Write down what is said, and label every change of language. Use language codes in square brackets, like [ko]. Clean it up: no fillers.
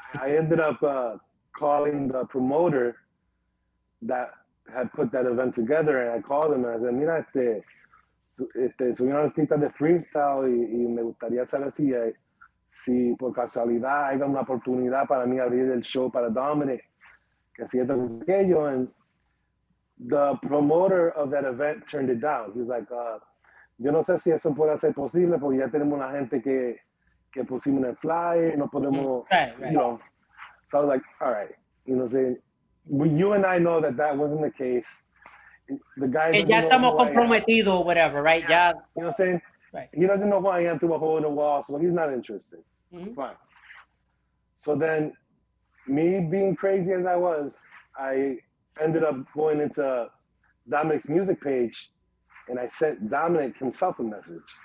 [en] I ended up calling the promoter that had put that event together, and I called him and I said, [es] mira, soy un artista de freestyle y me gustaría saber si por casualidad hay una oportunidad para mí abrir el show para Dominic, que si esto es aquello. [en] And the promoter of that event turned it down. He was like, [es] yo no sé si eso puede ser posible porque ya tenemos la gente que pusimos en el flyer, no podemos, [en] right. So I was like, all right, you know what I'm saying? You and I know that wasn't the case. The guy. [es] Ya estamos comprometido, [en] whatever, right? Yeah. You know what I'm saying? Right. He doesn't know who I am through a hole in the wall, so he's not interested. Mm-hmm. Fine. So then, me being crazy as I was, I ended up going into Dominic's music page, and I sent Dominic himself a message.